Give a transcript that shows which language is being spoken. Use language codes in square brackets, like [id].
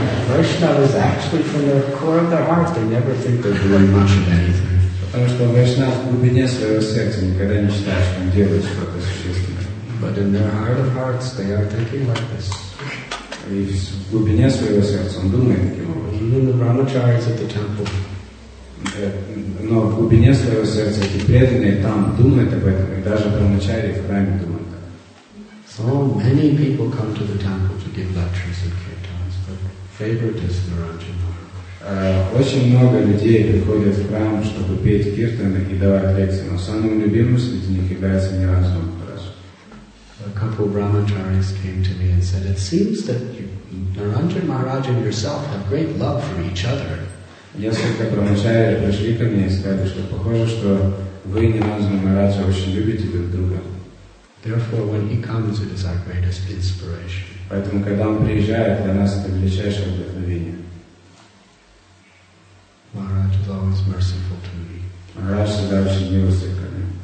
[en] Вайшнава is actually from the core of their hearts. They never think they're doing much of anything. [ru] Потому что Вайшнава в глубине своего сердца никогда не считает, что он делает что-то существенное. [en] But in their heart of hearts, they are thinking like this. [ru] И в глубине своего сердца он думает таким образом. [en] Even the brahmacharis at the temple. [ru] Но в глубине своего сердца эти преданные там думают об этом, и даже брахмачари в храме думают. [en] So many people come to the temple to give lectures and kirtans, but favorite is Naranja Maharaj. [ru] Очень много людей приходят в храм, чтобы петь киртаны и давать лекции, но самым любимым среди них является Наранджа Махараджа. [en] A couple brahmacharis came to me and said, it seems that you, Naranja Maharaj and yourself have great love for each other. [ru] Несколько промышляли, пришли ко мне и сказали, что похоже, что вы, Ниранджана Махараджа, очень любите друг друга. [en] Therefore, when he comes, it is our greatest inspiration. [ru] Поэтому, когда он приезжает, для нас это величайшее вдохновение. [en] Maharaj is always merciful to me. [ru] Махарадж всегда очень милостив ко мне.